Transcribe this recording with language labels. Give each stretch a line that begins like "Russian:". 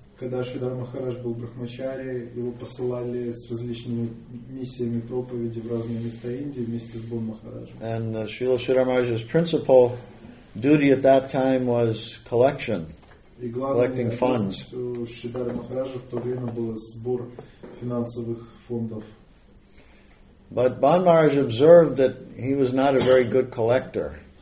Russian: Когда Шридхар Махарадж был брахмачари, его посылали с различными миссиями проповеди в разные места Индии вместе с Бан Махараджем.
English: And Srila Sridhar Maharaj's principal duty at that time was collection, collecting funds.
Russian: Шридхар Махараджа в то время был сбор финансовых фондов.
English: But Ban Maharaj observed that he was not a very good collector.